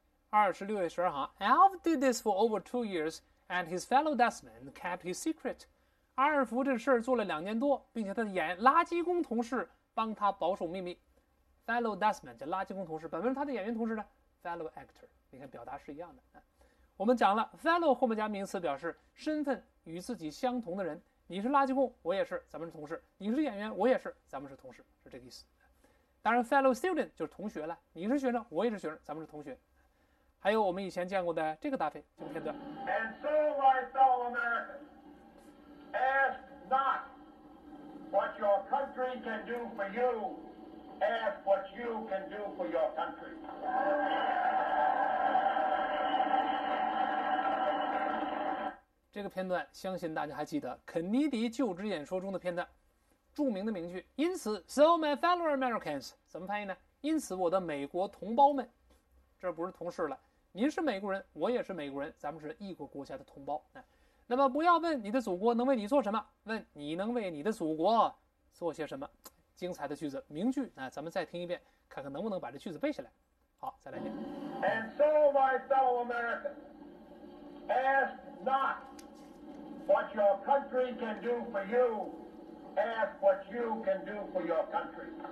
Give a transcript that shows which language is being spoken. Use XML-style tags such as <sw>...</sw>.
<zh>26页十二行，</zh> <en>Alf did this for over 2 years, and his fellow dustman kept his secret。</en> <zh>阿尔福这事儿做了2年多，并且他的垃圾工同事帮他保守秘密。 Fellow dustman 叫垃圾工同事，本文他的演员同事呢，fellow actor，你看表达是一样的啊。我们讲了 fellow 后面加名词表示身份与自己相同的人，你是垃圾工，我也是，咱们是同事；你是演员，我也是，咱们是同事，是这个意思。当然 fellow student 就是同学了，你是学生，我也是学生，咱们是同学。还有我们以前见过的这个搭配，这个片段。</zh> <en>And so my fellow Americans, ask not what your country can do for you, ask what you can do for your country.</en> <zh>这个片段相信大家还记得，肯尼迪就职演说中的片段，著名的名句。因此 ，</zh> <en>So my fellow Americans</en> <zh>怎么翻译呢？因此，我的美国同胞们，这不是同事了，您是美国人，我也是美国人，咱们是异国国家的同胞。那么不要问你的祖国能为你做什么，问你能为你的祖国做些什么。精彩的句子，名句。那咱们再听一遍，看看能不能把这句子背下来。好，再来一遍。</zh> <en>And so my fellow Americans. Ask not what your country can do for you, ask what you can do for your country.</en>